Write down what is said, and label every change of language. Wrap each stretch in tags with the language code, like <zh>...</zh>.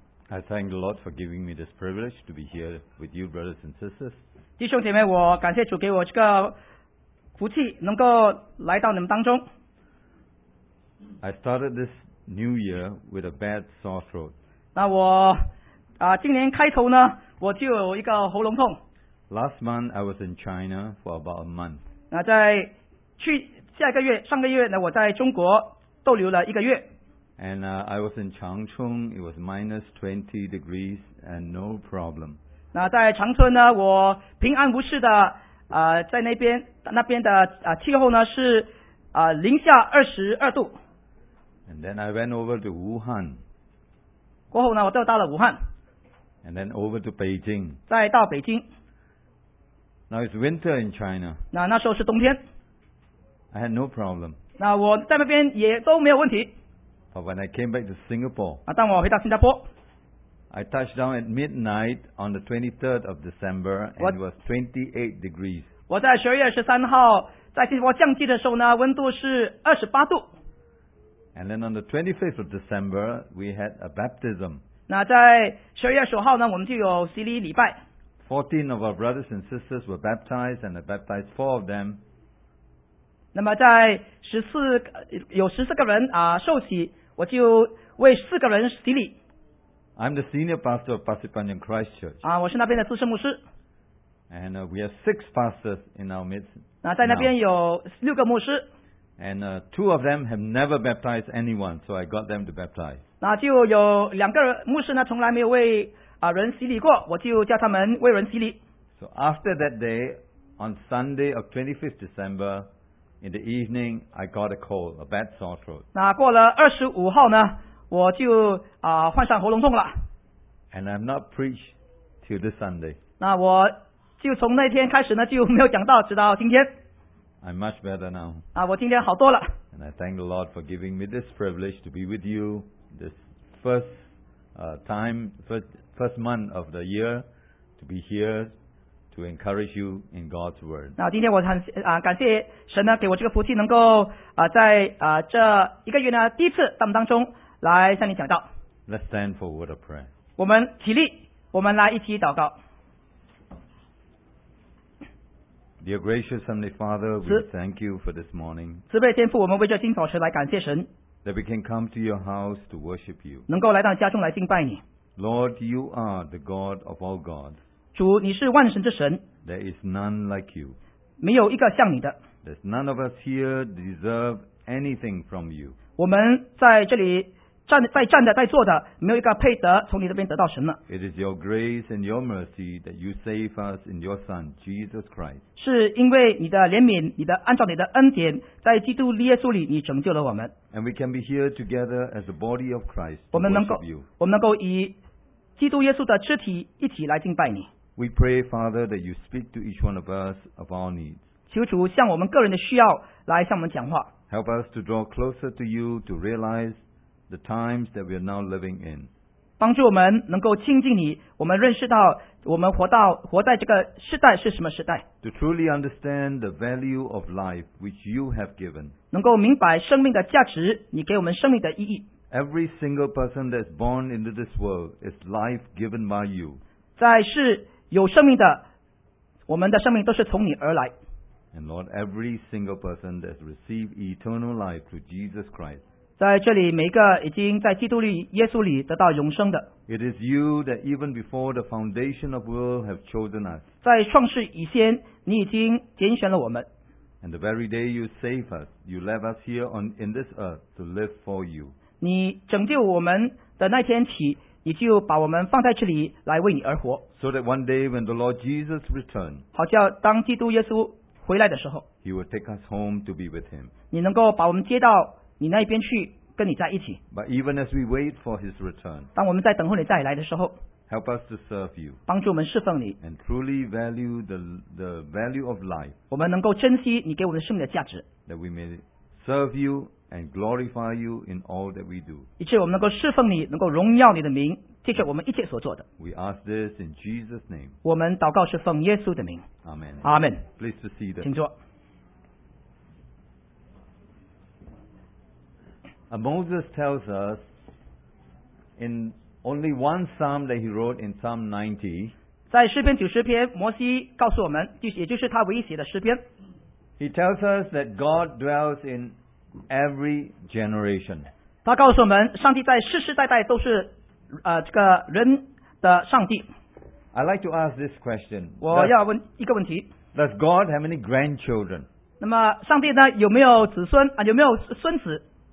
<en>I thank the Lord for giving me this privilege to be here with you, brothers and sisters.</en> <zh>弟兄姐妹，我感谢主给我这个福气，能够来到你们当中。</zh> <en>I started this new year with a bad sore throat.</en> <zh>那我今年开头呢，我就有一个喉咙痛。</zh> <en>Last month I was in China for about a month.</en> <zh>那在去下一个月，上个月呢，我在中国逗留了一个月。</zh> <en>And I was in Changchun. It was minus 20 degrees and no problem.</en> <zh>那在长春呢，我平安无事的，在那边气候呢是零下22度。</zh> <en>And then I went over to Wuhan.</en> <zh>过后呢，我就到了武汉。</zh> <en>And then over to Beijing.</en> <zh>再到北京。</zh> <en>Now it's winter in China.</en> <zh>那时候是冬天。</zh> <en>I had no problem.</en> <zh>那我在那边也都没有问题。</zh> <en>But when I came back to Singapore,</en> <zh>当我回到新加坡,</zh> <en>I touched down at midnight on the 23rd of December, and it was 28 degrees.</en> <zh>我在12月13号在新加坡降机的时候呢，温度是28度。</zh> <en>And then on the 25th of December, we had a baptism.</en> <zh>那在12月9号呢，我们就有洗礼礼拜。</zh> <en>14 of our brothers and sisters were baptized, and I baptized 4 of them.</en> <zh>那么在有14个人受洗，我就为4个人洗礼。</zh> <en>I'm the senior pastor of Pasir Panjang Christ Church.</en> <zh>我是那边的资深牧师。</zh> <en>And we have 6 pastors in our midst.</en> <zh>在那边有6个牧师。</zh> <en>And 2 of them have never baptized anyone, so I got them to baptize.</en> <zh>那就有2个牧师呢，从来没有为人洗礼过，我就叫他们为人洗礼。</zh> <en>So after that day, on Sunday of 25th December,In the evening, I got a cold, a bad sore throat.</en> <zh>那过了25号呢，我就患上喉咙痛了。</zh> <en>And I've not preached till this Sunday.</en> <zh>那我就从那天开始呢，就没有讲到，直到今天。</zh> <en>I'm much better now.</en> <zh>我今天好多了。</zh> <en>And I thank the Lord for giving me this privilege to be with you this first time, first month of the year to be here. To encourage you in God's word.</en> <zh>那今天我很感谢神呢，给我这个福气，能够在这一个月呢第一次在我们当中来向你讲道。</zh> <en>Let's stand for a word of prayer.</en> <zh>我们起立，我们来一起祷告。</zh> <en>Dear gracious Heavenly Father, we thank you for this morning.</en> <zh>慈悲天父，我们为这今早晨来感谢神。</zh> <en>That we can come to your house to worship you.</en> <zh>能够来到家中来敬拜你。</zh> <en>Lord, you are the God of all gods.</en> <zh>主，你是万神之神。</zh> <en>There is none like you.</en> <zh>没有一个像你的。</zh> <en>There's none of us here deserve anything from you.</en> <zh>我们在这里在坐的，没有一个配得从你这边得到神了。</zh> <en>It is your grace and your mercy that you save us in your Son Jesus Christ.</en> <zh>是因为你的怜悯，你的按照你的恩典，在基督耶稣里，你拯救了我们。</zh> <en>And we can be here together as the body of Christ.</en> <zh>我们能够以基督耶稣的肢体一起来敬拜你。</zh> <en>We pray, Father, that you speak to each one of us of our needs.</en> <zh>求主向我们个人的需要来向我们讲话。</zh> <en>Help us to draw closer to you to realize the times that we are now living in.</en> <zh>帮助我们能够亲近你，我们认识到我们活在这个时代是什么时代。</zh> <en>To truly understand the value of life which you have given.</en> <zh>能够明白生命的价值，你给我们生命的意义。</zh> <en>Every single person that is born into this world is life given by you.</en> <zh>在世有生命的，我们的生命都是从你而来。</zh> <en>And Lord, every single person that has received eternal life through Jesus Christ.</en> <zh>在这里，每一个已经在基督里、耶稣里得到永生的。</zh> <en>It is you that even before the foundation of the world have chosen us.</en> <zh>在创世以前，你已经拣选了我们。</zh> <en>And the very day you save us, you left us here in this earth to live for you.</en> <zh>你拯救我们的那天起。你就把我们放在这里来为你而活。</zh> <en>So that one day when the Lord Jesus returns,</en> <zh>好叫当基督耶稣回来的时候，</zh> <en>He will take us home to be with Him.</en> <zh>你能够把我们接到你那边去，跟你在一起。</zh> <en>But even as we wait for His return,</en> <zh>当我们在等候你再来的时候，</zh> <en>Help us to serve you.</en> <zh>帮助我们侍奉你。</zh> <en>And truly value the value of life.</en> <zh>我们能够珍惜你给我们生命的价值。</zh> <en>That we may serve you. And glorify you in all that we do.</en> <zh>以致我们能够侍奉你，能够荣耀你的名，这是我们一切所做的。</zh> <en>We ask this in Jesus' name.</en> <zh>我们祷告是奉耶稣的名。</zh> <en>Amen. Amen. Please be seated.</en> <zh>请坐。</zh> <en>Moses tells us in only one psalm that he wrote in Psalm 90.</en> <zh>在诗篇90篇, 摩西告诉我们, 也就是他唯一写的诗篇,</zh> <en>he tells us that God dwells in every generation.</en> <zh>他告诉我们, 上帝在世世代代都是, 这个人的上帝。</zh> <en>I'd like to ask this question.</en> <zh>我要问一个问题,</zh> <en>does God have any grandchildren?</en> <zh>那么上帝呢, 有没有子孙, 啊, 有没有孙子?</zh>